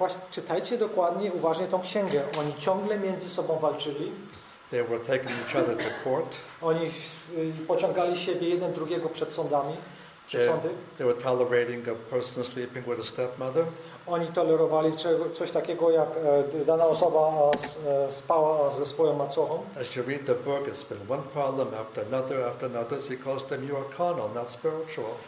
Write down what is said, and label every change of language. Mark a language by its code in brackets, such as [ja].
[pl] Czytajcie dokładnie, uważnie tą księgę. Oni ciągle między sobą walczyli. [en] They were taking each other to court. [pl] Oni pociągali siebie jeden drugiego przed sądami. [en] They were tolerating a person sleeping with a stepmother. [pl] Oni tolerowali coś takiego, jak dana osoba spała ze swoją macochą. [en] As you read the book, it's been one problem after another, so he calls them, you are carnal, not spiritual.